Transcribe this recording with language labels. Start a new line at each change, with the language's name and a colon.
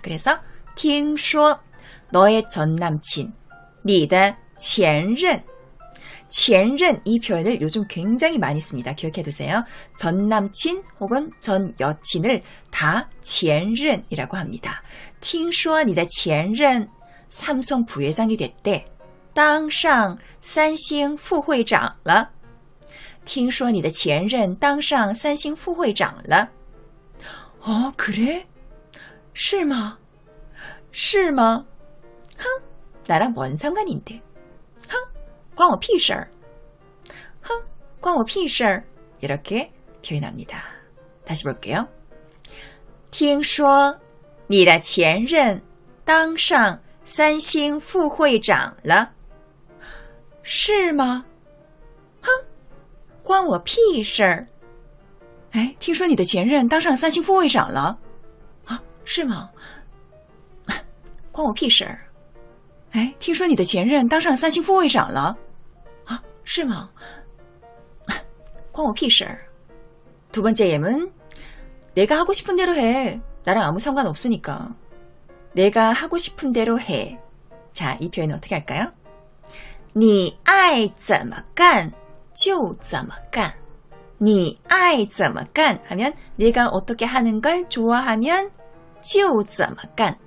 Korean: 그래서
Chinese: 听说
Korean: 너의 전남친
Chinese: 你的前任 前任
Korean: 이 표현을 요즘 굉장히 많이 씁니다. 기억해두세요. 전남친 혹은 전여친을 다 前任이라고 합니다.
Chinese: 听说你的前任
Korean: 삼성 부회장이 됐대.
Chinese: 당상 삼성 부회장了.听说你的前任当上三星副会长了.
Korean: 어, 그래?
Chinese: 是吗? 是吗?哼,
Korean: 나랑 뭔 상관인데?
Chinese: 哼, 关我屁事.哼, 关我屁事.
Korean: 이렇게 표현합니다. 다시 볼게요.
Chinese: 听说你的前任当上 三星副会长了是吗哼关我屁事哎听说你的前任当上三星副会长了啊是吗关我屁事哎听说你的前任当上三星副会长了啊是吗关我屁事
Korean: 두 번째 예문. 내가 하고 싶은 대로 해. 나랑 아무 상관 없으니까. 내가 하고 싶은 대로 해. 자, 이 표현은 어떻게 할까요?
Chinese: 你爱怎么干就怎么干. 你爱怎么干
Korean: 하면 네가 어떻게 하는 걸 좋아하면
Chinese: 就怎么干.